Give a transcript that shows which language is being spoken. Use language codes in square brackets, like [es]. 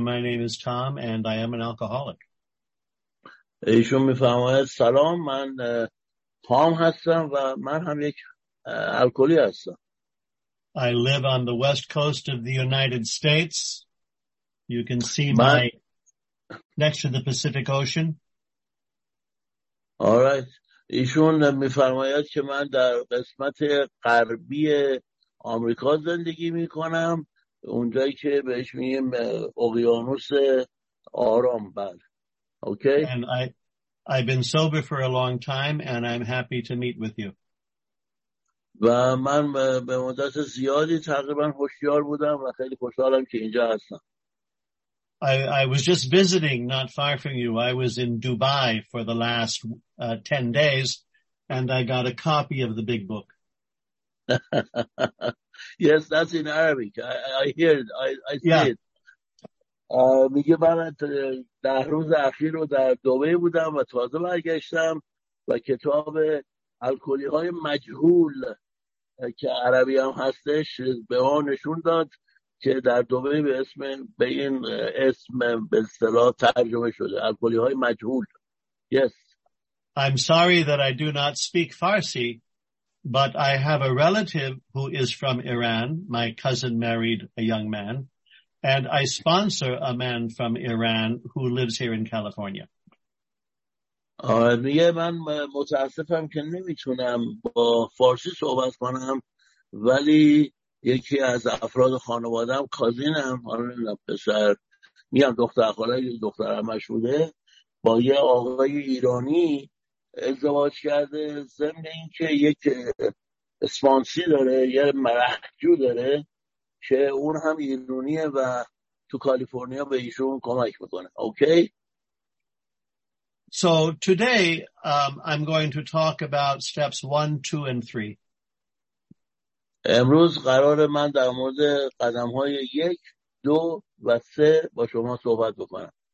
[en] My name is Tom and I am an alcoholic. [fa] ایشون میفرماید سلام، من تام هستم و من هم یک الکلی هستم. [en] I live on the west coast of the United States. You can see my next to the Pacific Ocean. Alright. [fa] ایشون میفرماید که من در قسمت غربی آمریکا زندگی میکنم، اونجایی که بهش میگیم اقیانوس آرام. بله. Okay. [en] And I've been sober for a long time and I'm happy to meet with you. [fa] و من به مدت زیادی تقریبا هوشیار بودم و خیلی خوشحالم که اینجا هستم. [en] I was just visiting not far from you. I was in Dubai for the last 10 days and I got a copy of the big book. Yes, that's in Arabic. I hear it. I see yeah. it. [fa] میگه من ده روز اخیر رو در دبی بودم و تازه برگشتم و کتاب الکلی‌های مجهول که عربی هم هستش به ما نشون داد که در دبی به اسم به این اسم به اصطلاح ترجمه شده، الکلی‌های مجهول. [en] Yes. I'm sorry that I do not speak Farsi, but I have a relative who is from Iran. My cousin married a young man. And I sponsor a man from Iran who lives here in California. [fa] میگه من متاسفم که نمیتونم با فارسی صحبت کنم، ولی یکی از افراد خانوادم، کازینم، حالا نمیدونم پسر میگم دختر خاله یا دختر عمش بوده، با یه آقای ایرانی ازدواج کرده، ضمن اینکه یک اسپانسی داره، یه مرحجو داره که اون هم ایرانیه و تو کالیفرنیا به ایشون کمک میکنه. اوکی. [en] So today I'm going to talk about steps 1, 2 and 3. [fa] امروز قرار من در مورد قدم‌های 1, 2 و 3 با شما صحبت بکنم.